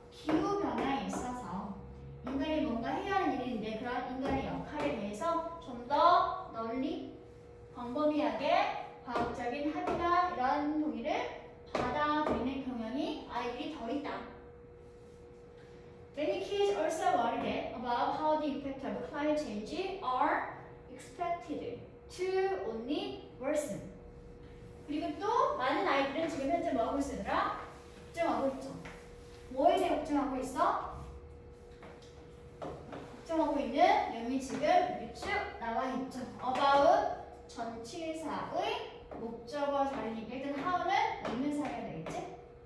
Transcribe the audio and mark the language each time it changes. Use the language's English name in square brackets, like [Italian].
[Korean] 기후변화에 있어서 인간이 뭔가 해야 하는 일인데 그런 인간의 역할에 대해서 좀 더 널리 광범위하게 과학적인 합의나 이런 동의를 받아들이는 경향이 아이들이 더 있다. [English] Many kids also worried about how the impact of climate change are expected to only worsen. [Korean] 그리고 또 많은 아이들은 지금 현재 뭐하고 있으더라? 걱정하고 있죠. 뭐에 대해 걱정하고 있어? 걱정하고 있는 내용이 지금 쭉 나와 있죠. About 전치사의 목적어 자리니까 일단 how는 없는 사례가 되겠지?